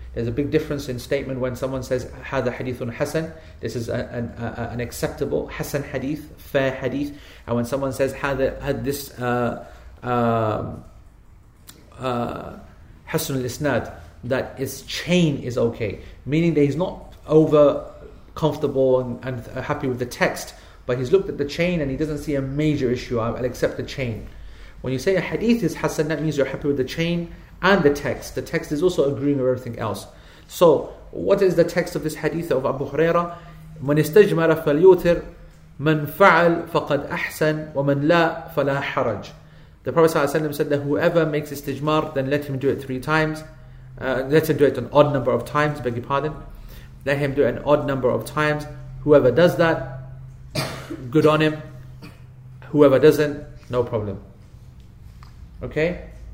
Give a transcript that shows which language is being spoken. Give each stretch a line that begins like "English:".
English: There's a big difference in statement when someone says hadha hadithun hasan, this is an acceptable hasan hadith, fair hadith, and when someone says hasan al-isnad, that its chain is okay, meaning that he's not over comfortable and happy with the text, but he's looked at the chain and he doesn't see a major issue. I'll accept the chain. When you say a hadith is hasan, that means you're happy with the chain and the text. The text is also agreeing with everything else. So what is the text of this hadith of Abu Huraira?
Arabic: من استجمر فليوتر من فعل فقد أحسن ومن لا فلا حرج.
English: The Prophet ﷺ said that whoever makes istijmar, then let him do it three times. Let him do it an odd number of times, beg your pardon. Let him do it an odd number of times. Whoever does that, good on him. Whoever doesn't, no problem. Okay?